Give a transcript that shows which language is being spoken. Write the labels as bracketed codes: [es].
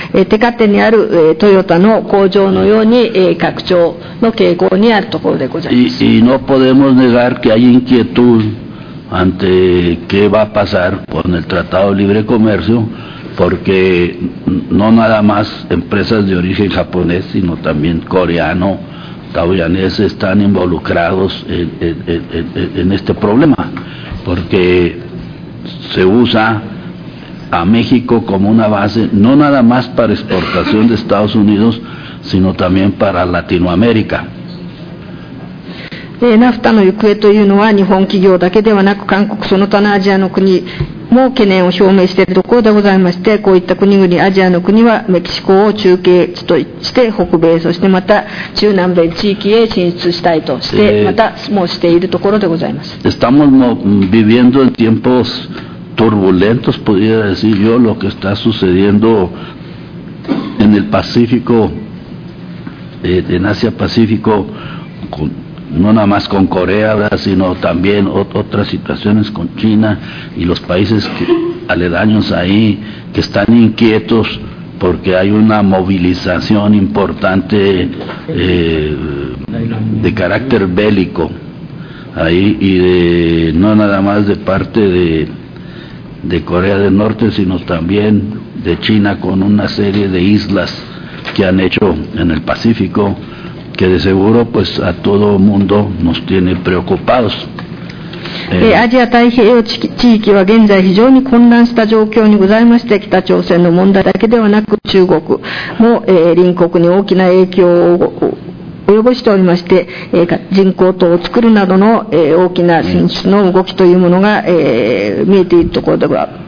[ja] テカテにあるトヨタの工場のように拡張の傾向にあるところでございます。 [es] Y no podemos negar que hay inquietudante qué va a pasar con el Tratado de Libre Comercio, porque no nada más empresas de origen japonés, sino también coreano, taiwanés están involucrados en este problema, porque se usa a México como una base, no nada más para exportación de Estados Unidos, sino también para Latinoamérica. [ja] NAFTA の行方というのは日本企業だけではなく韓国その他のアジアの国も懸念を表明しているところでございまして、こういった国々アジアの国はメキシコを中継地として北米そしてまた中南米地域へ進出したいとしてまたもうしているところでございます。 [es] Estamos viviendo en tiempos turbulentos, podría decir yo, lo que está sucediendo en el Pacífico, en Asia Pacífico, con... no nada más con Corea, ¿verdad? Sino también otras situaciones con China y los países que, aledaños ahí, que están inquietos porque hay una movilización importante de carácter bélico ahí, y de, no nada más de parte de Corea del Norte, sino también de China, con una serie de islas que han hecho en el Pacífico,que de seguro pues a todo mundo nos tiene preocupados. [ja] アジア太平洋地域は現在非常に混乱した状況にございまして、北朝鮮の問題だけではなく中国も、隣国に大きな影響を及ぼしておりまして、人工島を作るなどの、大きな進出の動きというものが、見えているところでは、